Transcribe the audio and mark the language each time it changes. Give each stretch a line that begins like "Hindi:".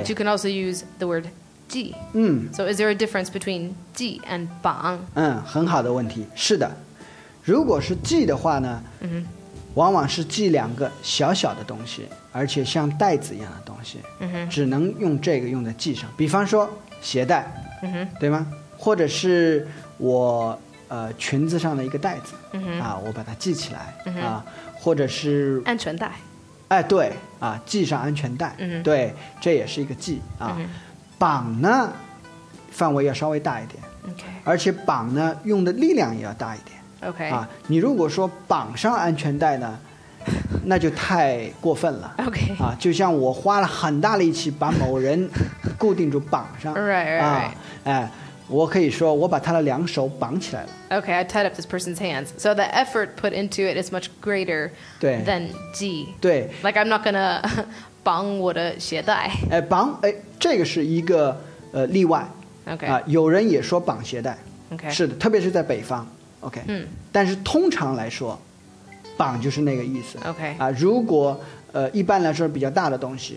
English: But you can also use the word 系、嗯、 So is there a difference between 系 and 绑
Chinese: 嗯，很好的问题是的如果是系的话呢、 mm-hmm. 往往是系两个小小的东西而且像袋子一样的东西、 mm-hmm. 只能用这个用在系上比方说鞋带、 mm-hmm. 对吗或者是我裙子上的一个袋子、 mm-hmm. 啊，我把它系起来、 mm-hmm. 啊，或者是安全带，哎，对啊，系上安全带， mm-hmm. 对，这也是一个系啊。 Mm-hmm. 绑呢，范围要稍微大一点
English: ，OK，
Chinese: 而且绑呢用的力量也要大一点
English: ，OK，
Chinese: 啊，你如果说绑上安全带呢，那就太过分了
English: ，OK，
Chinese: 啊，就像我花了很大力气把某人固定住绑上
English: ，Right， right，啊，哎。
Chinese: 我可以说我把他的两手绑起来了
English: Okay, I tied up this person's hands So the effort put into it is much greater
Chinese: 对
English: than 系
Chinese: 对
English: Like I'm not gonna
Chinese: 绑我的鞋带哎绑哎这个是一个例外
English: Okay、
Chinese: 有人也说绑鞋带
English: Okay
Chinese: 是的特别是在北方 Okay、嗯、但是通常来说绑就是那个意思
English: Okay、
Chinese: 如果一般来说比较大的东西、